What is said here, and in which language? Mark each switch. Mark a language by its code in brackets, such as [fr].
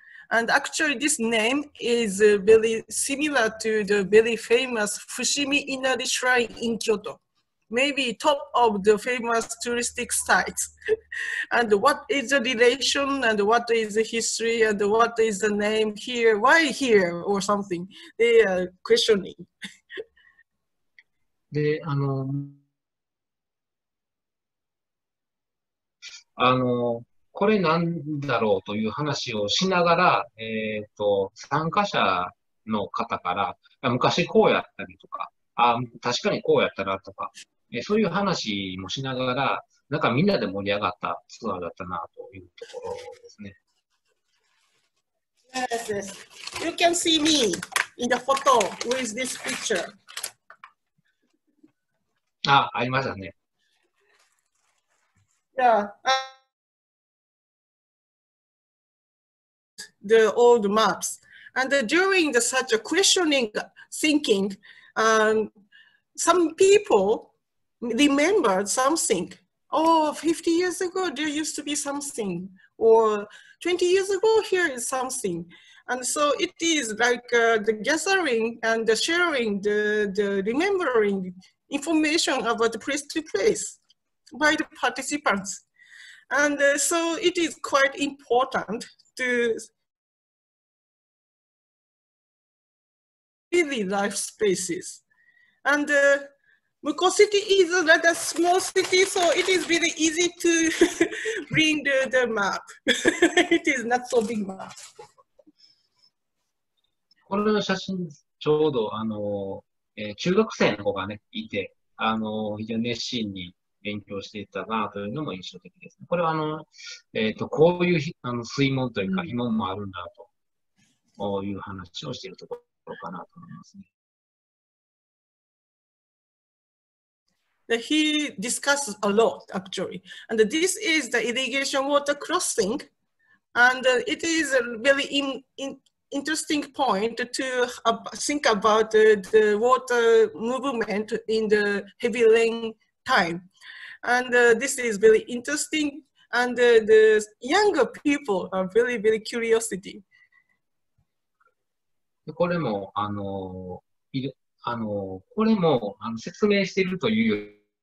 [en] And actually, this name is very similar to the very famous Fushimi Inari Shrine in Kyoto, maybe top of the famous touristic sites. And what is the relation, and what is the history, and what is the name here, why here, or something? They are questioning. [ja] で、これなんだろうという話をしながら、参加者の方から、昔こうやったりとか、あ、確かにこうやったなとか、そういう話もしながら、なんかみんなで盛り上がったツアーだったなというところですね。 [en] Yes, yes. You can see me in the photo with this picture. [ja] あ、ありましたね。 [en] Yeah. The old maps. And during the such a questioning thinking, some people,remembered something. Oh, 50 years ago, there used to be something. Or 20 years ago, here is something. And so it is like the gathering and the sharing, the remembering information about the place to place by the participants. And so it is quite important to really life spaces. And Muko City is a rather small city, so it is really easy to bring the map. It is not so big map. [ja] この写真、ちょうど中学生の子がね、いて、非常に熱心に勉強していたなというのも印象的です。これはこういう水門というか、紐もあるんだと、こういう話をしているところかなと思いますね。 [en] He discusses a lot, actually. And this is the irrigation water crossing. And it is a very interesting point to think about the water movement in the heavy rain time. And this is very interesting. And the younger people are very, very curiosity. [ja] これも、これも説明しているというより